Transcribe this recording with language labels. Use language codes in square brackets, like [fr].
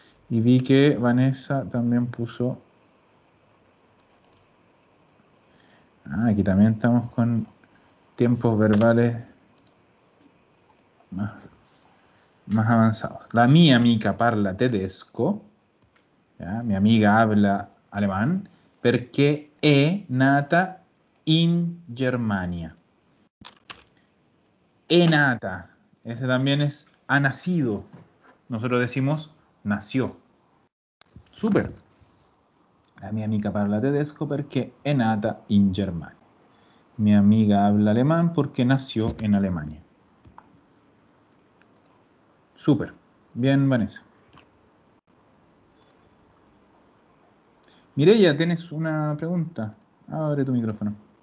[es] Y vi que Vanessa también puso. Ah, aquí también estamos con tiempos verbales más avanzados. [it] La mía amica parla tedesco. ¿Ya? [es] Mi amiga habla alemán. [it] Perché è nata in Germania. È nata. [es] Ese también es ha nacido. Nosotros decimos nació. Súper. [it] La mia amica parla tedesco perché è nata in Germania. [es] Mi amiga habla alemán porque nació en Alemania. Súper. Bien, Vanessa. Mireya, tienes una pregunta. Abre tu micrófono.